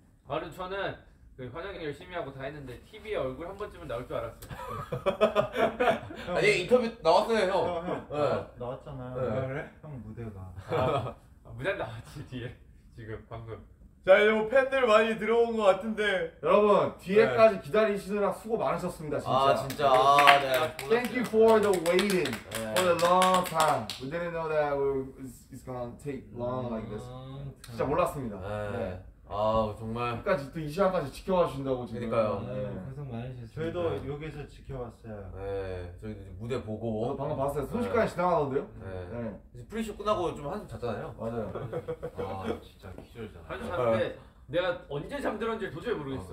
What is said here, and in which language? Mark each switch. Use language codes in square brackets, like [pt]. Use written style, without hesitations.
[ko] 말은 저는 그 화장 열심히 하고 다 했는데 TV에 얼굴 한 번쯤은 나올 줄 알았어요. 아니 인터뷰 나왔어요, 형. 네. 나왔잖아요. 네. 그래? 형 무대가. 아, 무대 나왔지 뒤에. 지금 방금. 자, 이제 뭐 팬들 많이 들어온 것 같은데 여러분 뒤에까지 네. 기다리시느라 수고 많으셨습니다, 진짜. 아, 진짜. 네. [en] Thank you for the waiting for the long time. We didn't know that it's gonna take long like this. [ko] 진짜 몰랐습니다. 네. 아 정말 끝까지 또 이 시간까지 지켜와 주신다고 그러니까요 고생 네, 많으셨어요 저희도 네. 여기서 지켜왔어요 네 저희도 이제 무대 보고 저도 방금 봤어요 순식간에 네. 지나가던데요 네. 네 이제 프리쇼 끝나고 좀 한숨 잤잖아요 맞아요 아 진짜 기절이잖아 한숨 잤는데 내가 언제 잠들었는지 도저히 모르겠어